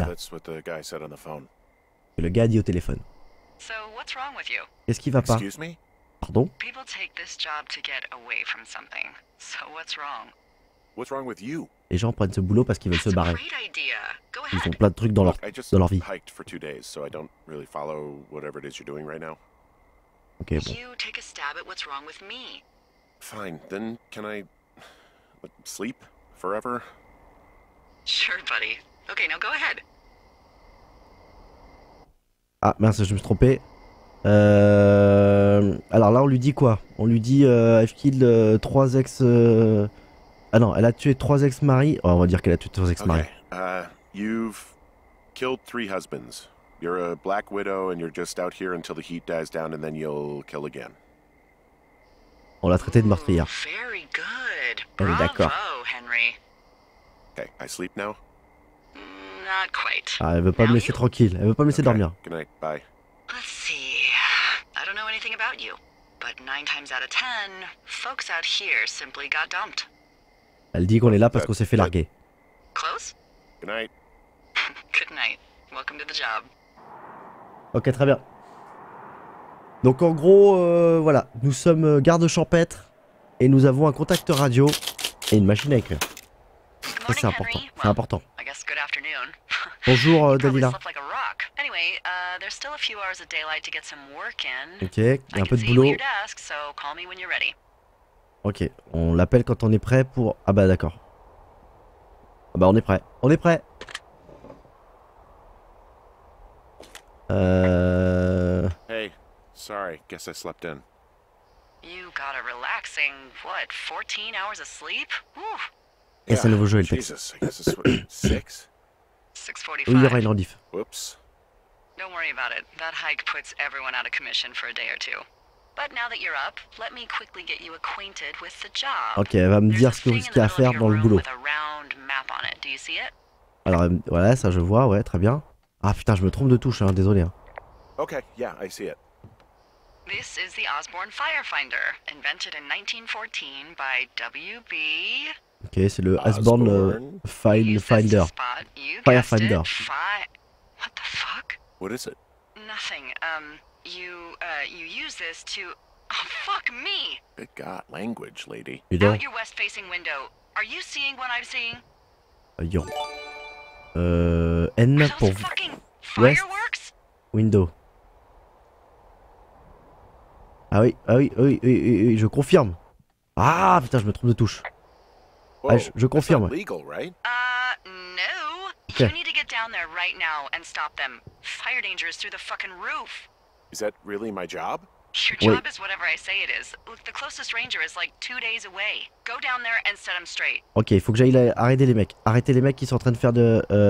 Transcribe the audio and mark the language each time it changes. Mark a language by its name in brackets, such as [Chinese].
[English] Yeah, that's what the guy said on the phone. [French] Et le gars dit au téléphone. [English] So what's wrong with you? [French] Qu'est-ce qui va pas? [English] Excuse me? [French] Pardon? [English] People take this job to get away from something. So what's wrong? What's wrong with you? [French] Les gens prennent ce boulot parce qu'ils veulent se barrer. [English] That's a great idea. Go ahead. [French] Ils font plein de trucs dans leur vie. [English] I hiked for 2 days, so I don't really follow whatever it is you're doing right now. Okay, bon. You take a stab at what's wrong with me. Fine, then can I sleep forever? Sure, buddy. Okay, now go ahead. [French] Ah, mince, je me suis trompé. Alors là, on lui dit quoi? On lui dit [English] I've killed 3 ex. [French] Ah non, elle a tué 3 ex-maris. Oh, on va dire qu'elle a tué 3 ex-maris. [English] Okay. You've killed 3 husbands. You're a black widow and you're just out here until the heat dies down and then you'll kill again. [French] On l'a traité de meurtrière. [English] Very good. [French] Elle est d'accord. Bravo, Henry. [English] Okay, I sleep now. Not quite. [French] Ah, elle veut pas [English] now [French] me laisser [English] you... [French] tranquille. Elle veut pas me laisser [English] okay [French] dormir. [English] Good night. Bye. Let's see. I don't know anything about you, but 9 times out of 10, folks out here simply got dumped. [French] Elle dit qu'on est là parce qu'on s'est fait larguer. [English] Close. Good night. Good night. Welcome to the job. [French] Ok, très bien. Donc en gros, voilà, nous sommes garde champêtre et nous avons un contact radio et une machine à écrire. Ça, c'est important. Henry. C'est important. [English] Well, I guess good afternoon. [French] Bonjour Dalila. [English] Anyway, there's still a few hours of daylight to get some work in. [French] Ok, il y a un peu de boulot. [English] Desk, so call me when you're ready. [French] Ok, on l'appelle quand on est prêt pour. Ah bah d'accord. Ah bah on est prêt. [English] Hey, sorry, guess I slept in. You got a relaxing, what, 14 hours of sleep? Woo. [French] Et ça ne vaut jouer le [English] texte. Jesus, I guess it's what, 6? 6:45. [French] Oui, il y aura une rediff. Oups. [English] Don't worry about it, that hike puts everyone out of commission for a day or two. But now that you're up, let me quickly get you acquainted with the job. [French] Ok, elle va me dire ce qu'il y a à faire dans le boulot. [English] There's a round map on it, do you see it? [French] Alors, voilà, ça je vois, ouais, très bien. Ah putain, je me trompe de touche, hein, désolé. [English] Okay, yeah, I see it. This is the Osborne Firefinder, invented in 1914 by W.B. [French] Okay, c'est le Osborne Firefinder. [English] Firefinder. What the fuck? What is it? Nothing. You use this to... Oh, fuck me! Good God, language, lady. You don't. Out your west-facing window, Are you seeing what I'm seeing? [French] Yo. N pour [English] West Window. [French] Ah oui, je confirme. Ah putain, je me trompe de touche. Je confirme. [English] Legal, right? No. Okay. You need to get down there right now and stop them. Fire danger is through the fucking roof. Is that really my job? Your job is whatever I say it is. Look, the closest ranger is like 2 days away. Go down there and set him straight. [French] OK, il faut que j'aille arrêter les mecs. Arrêter les mecs qui sont en train de faire de